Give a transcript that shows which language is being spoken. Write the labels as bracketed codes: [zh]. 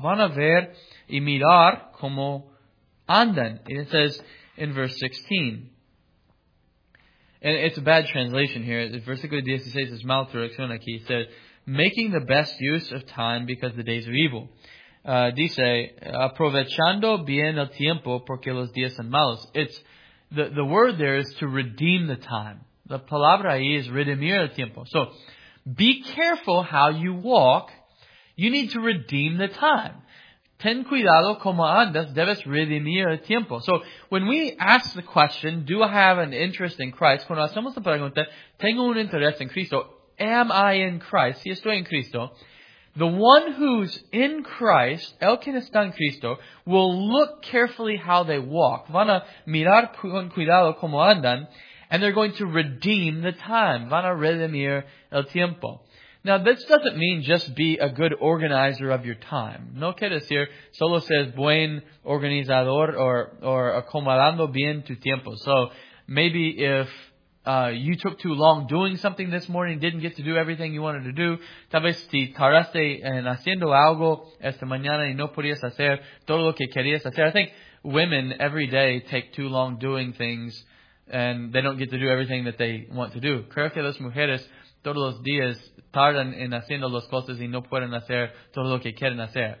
[es] Van a ver y mirar como andan. [en] It says in verse 16. And it's a bad translation here. [es] Versículo 16 es mal traducción aquí. [en] It says, making the best use of time because the days are evil. [es] Dice, aprovechando bien el tiempo porque los días son malos. [en] It's, the word there is to redeem the time. [es] La palabra ahí es redimir el tiempo. [en] So, be careful how you walk. You need to redeem the time. [es] Ten cuidado como andas, debes redimir el tiempo. [en] So, when we ask the question, do I have an interest in Christ? [es] Cuando hacemos la pregunta, tengo un interés en Cristo. [en] Am I in Christ? [es] Si estoy en Cristo. [en] The one who's in Christ, [es] el que está en Cristo, [en] will look carefully how they walk. [es] Van a mirar con cuidado como andan, [en] and they're going to redeem the time. [es] Van a redimir el tiempo. [en] Now, this doesn't mean just be a good organizer of your time. [es] No quiere decir, solo ser buen organizador or acomodando bien tu tiempo. [en] So, maybe if you took too long doing something this morning, didn't get to do everything you wanted to do, [es] tal vez si tardaste en haciendo algo esta mañana y no podías hacer todo lo que querías hacer. [en] I think women every day take too long doing things and they don't get to do everything that they want to do. [es] Creo que las mujeres todos los días tardan en haciendo las cosas y no pueden hacer todo lo que quieren hacer.